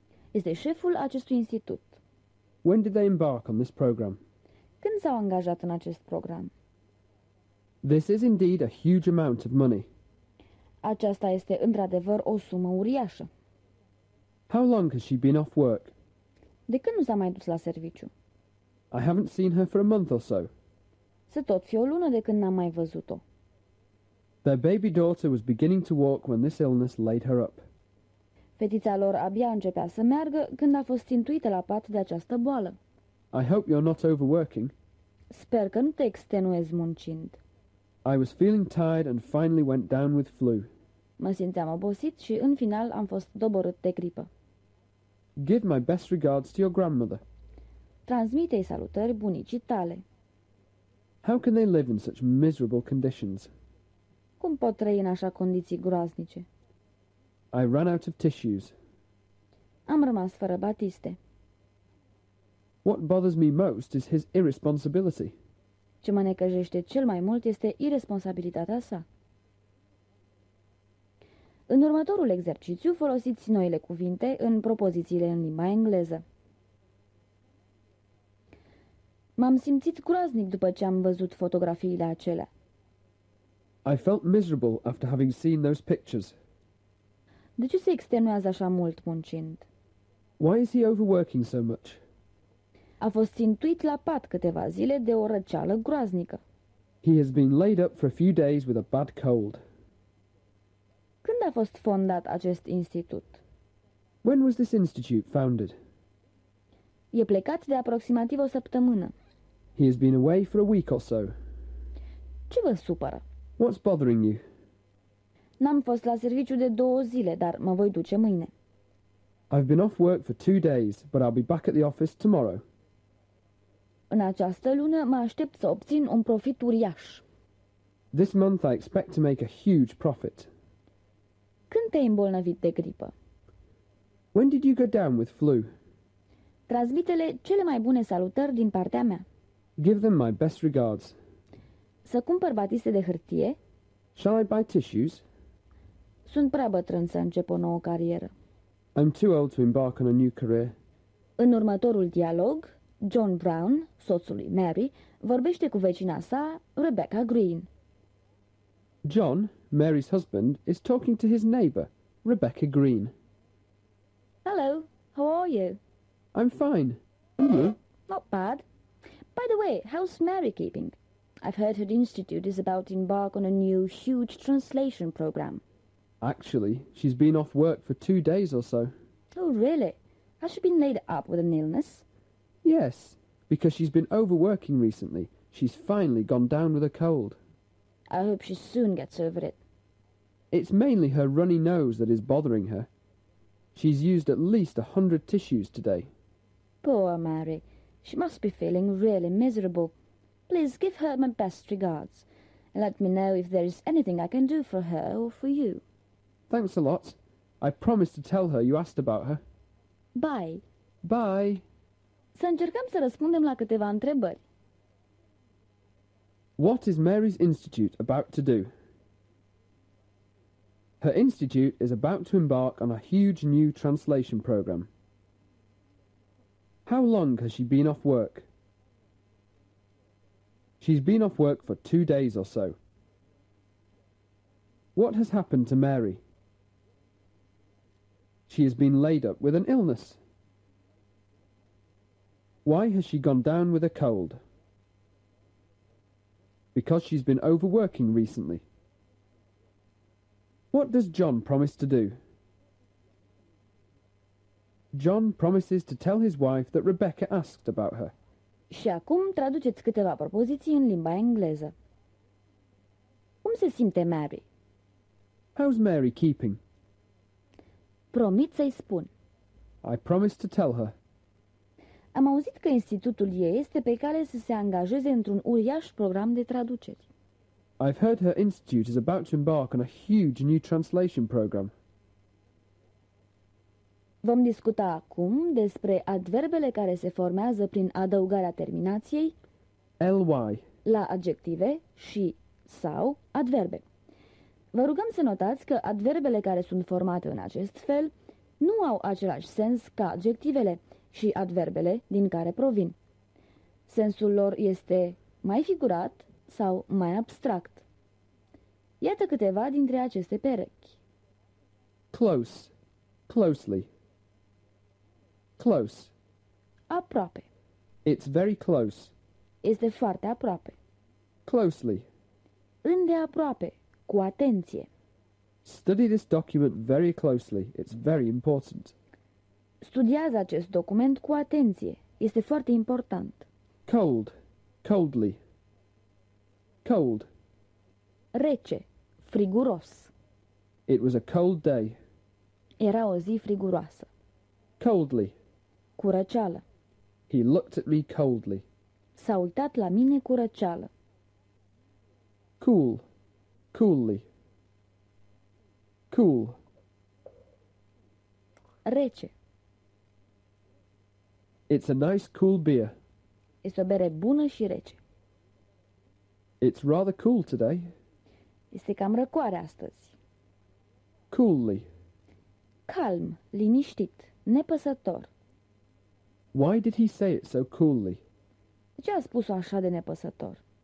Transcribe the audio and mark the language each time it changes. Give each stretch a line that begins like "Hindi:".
Romanian: Este șeful acestui institut.
English: When did they embark on this program?
Romanian: Când s-au angajat în acest program?
English: This is indeed a huge amount of money.
Romanian: Aceasta este într-adevăr o sumă uriașă.
English: How long has she been off work?
Romanian: De când nu s-a mai dus la serviciu?
English: I haven't seen her for a month or so.
Romanian: Să tot fie o lună de când n-am mai văzut-o.
English: Their baby daughter was beginning to walk when this illness laid her up.
Romanian: Fetița lor abia începea să meargă când a fost țintuită la pat de această boală.
English: I hope you're not overworking.
Romanian: Sper că nu te extenuezi muncind.
English: I was feeling tired and finally went down with flu.
Romanian: Mă simțeam obosit și în final am fost doborât de gripă.
English: Give my best regards to your grandmother.
Romanian: Transmite-i salutări bunicii tale.
English: How can they live in such miserable conditions?
Romanian: Cum pot trăi în așa condiții groaznice?
English: I ran out of tissues.
Romanian: Am rămas fără batiste.
English: What bothers me most is his irresponsibility.
Romanian: Ce mă necăjește cel mai mult este irresponsabilitatea sa. În următorul exercițiu folosiți noile cuvinte în propozițiile în limba engleză. M-am simțit groaznic după ce am văzut fotografiile acelea.
English: I felt miserable after having seen those pictures.
Romanian: De ce se extenuează așa mult muncind?
English: Why is he overworking so much?
Romanian: A fost țintuit la pat câteva zile de o răceală groaznică.
English: He has been laid up for a few days with a bad cold.
Romanian: Când a fost fondat acest institut?
English: When was this institute founded?
Romanian: E plecat de aproximativ o săptămână.
English: He has been away for a week or so.
Romanian: Ce vă supără?
English: What's bothering you?
Romanian: N-am fost la serviciu de două zile, dar mă voi duce mâine.
English: I've been off work for two days, but I'll be back at the office tomorrow.
Romanian: În această lună mă aștept să obțin un profit uriaș.
English: This month I expect to make a huge profit.
Romanian: Când te-ai îmbolnăvit de gripă?
English: When did you go down with flu?
Romanian: Transmite-le cele mai bune salutări din partea mea.
English: Give them my best regards.
Romanian: Să cumpăr batiste de hârtie?
English: Shall I buy tissues?
Romanian: Sunt prea bătrân să încep o nouă carieră.
English: I'm too old to embark on a new career.
Romanian: În următorul dialog, John Brown, soțul lui Mary, vorbește cu vecina sa, Rebecca Green.
English: John, Mary's husband, is talking to his neighbor, Rebecca Green. Hello, how are you? I'm fine. You? Not bad. By the way, how's Mary keeping? I've heard her institute is about to embark on a new huge translation program. Actually, she's been off work for 2 days or so. Oh, really? Has she been laid up with an illness? Yes, because she's been overworking recently. She's finally gone down with a cold. I hope she soon gets over it. It's mainly her runny nose that is bothering her. She's used at least 100 tissues today. Poor Mary. She must be feeling really miserable. Please give her my best regards, and let me know if there is anything I can do for her or for you. Thanks a lot. I promised to tell her you asked about her. Bye. Bye.
Romanian: Să încercăm să răspundem la câteva întrebări.
English: What is Mary's institute about to do? Her institute is about to embark on a huge new translation program. How long has she been off work? She's been off work for 2 days or so. What has happened to Mary? She has been laid up with an illness. Why has she gone down with a cold? Because she's been overworking recently. What does John promise to do? John promises to tell his wife that Rebecca asked about her.
Romanian: Și acum traduceți câteva propoziții în limba engleză. Cum se simte Mary?
English: How's Mary keeping?
Romanian: Promit să-i spun.
English: I promise to tell her.
Romanian: Am auzit că institutul ei este pe cale să se angajeze într-un uriaș program de traduceri.
English: I've heard her institute is about to embark on a huge new translation program.
Romanian: Vom discuta acum despre adverbele care se formează prin adăugarea terminației
English: ly
Romanian: la adjective și sau adverbe. Vă rugăm să notați că adverbele care sunt formate în acest fel nu au același sens ca adjectivele și adverbele din care provin. Sensul lor este mai figurat sau mai abstract. Iată câteva dintre aceste perechi.
English: Close, closely. Close.
Romanian: Aproape.
English: It's very close.
Romanian: Este foarte aproape.
English: Closely.
Romanian: Îndeaproape, cu atenție.
English: Study this document very closely. It's very important.
Romanian: Studiază acest document cu atenție. Este foarte important.
English: Cold, coldly. Cold.
Romanian: Rece, friguros.
English: It was a cold day.
Romanian: Era o zi friguroasă.
English: Coldly.
Romanian: Cu răceală.
English: He looked at me coldly.
Romanian: S-a uitat la mine cu răceală.
English: Cool. Coolly. Cool.
Romanian: Rece.
English: It's a nice cool beer.
Romanian: Este o bere bună și rece.
English: It's rather cool today.
Romanian: Este cam răcoare astăzi.
English: Coolly.
Romanian: Calm, liniștit, nepăsător.
English: Why did he say it so coolly?
Romanian: De ce a spus-o așa de nepăsător?